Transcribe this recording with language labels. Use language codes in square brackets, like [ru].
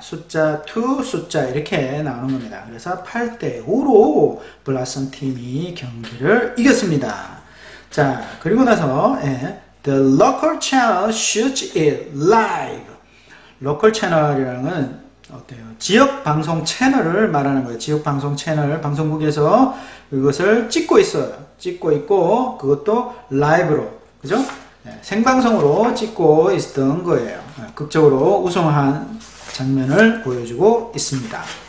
[ko] 숫자, 투, 숫자. 이렇게 나오는 겁니다. 그래서 8-5로 블라썸 팀이 경기를 이겼습니다. 자, 그리고 나서, 예, [en] The local channel shoots it live. [ko] local channel이라는 건, 어때요? 지역 방송 채널을 말하는 거예요. 지역 방송 채널. 방송국에서 이것을 찍고 있어요. 찍고 있고, 그것도 라이브로. 그죠? 생방송으로 찍고 있었던 거예요. 극적으로 우승한 장면을 보여주고 있습니다.